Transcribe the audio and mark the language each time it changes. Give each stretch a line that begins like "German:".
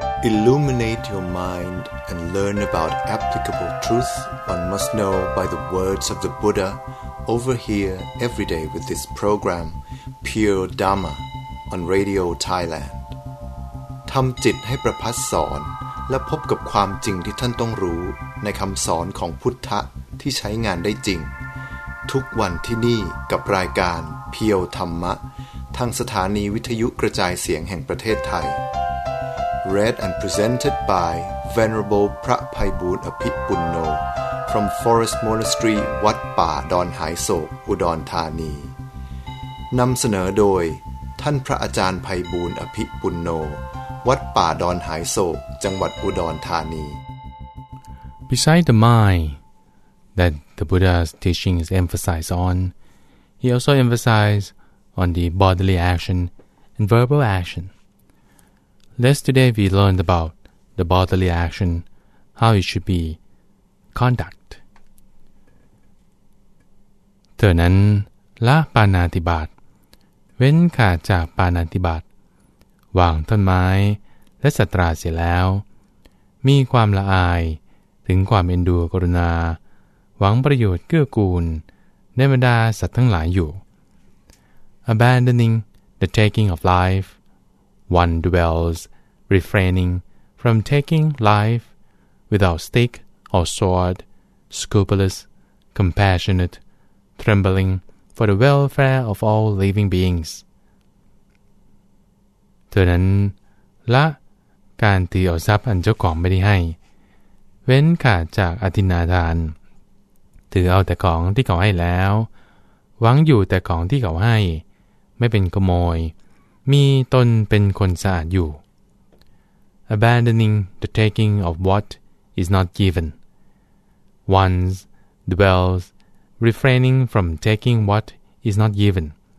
English: Illuminate your mind and learn about applicable truth one must know by the words of the Buddha over here every day with this program, Pure Dharma, on Radio Thailand.
Thai: ทำจิตให้ประพัสสอนและพบกับความจริงที่ท่านต้องรู้ในคำสอนของพุทธะที่ใช้งานได้จริงทุกวันที่นี่กับรายการเพียวธรรมะทางสถานีวิทยุกระจายเสียงแห่งประเทศไทย
English: Read and presented by Venerable พระไพบูลย์อภิปุณโญ from Forest Monastery
Thai: วัดป่าดอนหายโศกอุดรธานีนำเสนอโดยท่านพระอาจารย์ไพบูลย์อภิปุณโญวัดป่าดอนหายโศกจังหวัดอุดรธานี
English: Beside the mind that the Buddha's teachings emphasize on, he also emphasizes on the bodily action and verbal action. Yesterday we learned about the bodily action, how it should be conduct.
Thai: เท่านั้นละปานาติบาตเว้นขาดจากปานาติบาตวางต้นไม้และสัตราเสียแล้ว มีความละอายถึงความเอ็นดูกรุณาหวังประโยชน์เกื้อกูลในบรรดาสัตว์ทั้งหลายอยู่
English: Abandoning the taking of life, one dwells refraining from taking life without stick or sword, scrupulous, compassionate, trembling for the welfare of all living beings.
Thai: เท่านั้นละการถือเอาทรัพย์อันเจ้าของไม่ได้ให้เว้นขาดจากอทินนาทานถือเอาแต่ของที่เขาให้แล้วหวังอยู่แต่ของที่เขาให้ไม่เป็นขโมยมีตนเป็นคนสะอาดอยู่
English: Abandoning the taking of what is not given. One dwells refraining from taking what is not given.